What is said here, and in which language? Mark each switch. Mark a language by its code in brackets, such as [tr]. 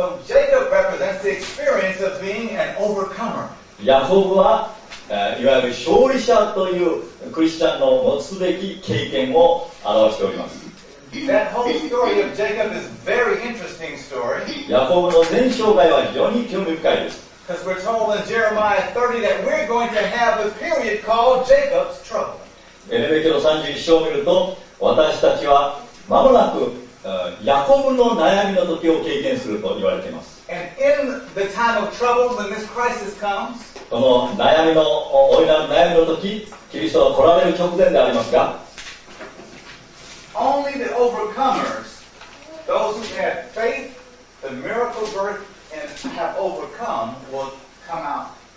[en] So Jacob represents the experience of being an overcomer. [ja] ヤコブはいわゆる勝利者というクリスチャンの持つべき経験を表しております。 [en] That whole story of Jacob is very interesting story. [ja] ヤコブの全生涯は非常に興味深いです。 [en] Because we're told in Jeremiah 30 that we're going to have a period called Jacob's trouble. [ja] エレベキの31章を見ると、私たちはまもなくヤコブの悩みの時を経験すると言われています。 [en] And in the time of trouble when this crisis comes [ja] この悩みの、お祈りの悩みの時、キリストが来られる直前でありますが、 [en] Only the overcomers, those who have faith, the miracle birth, and have overcome, will come out.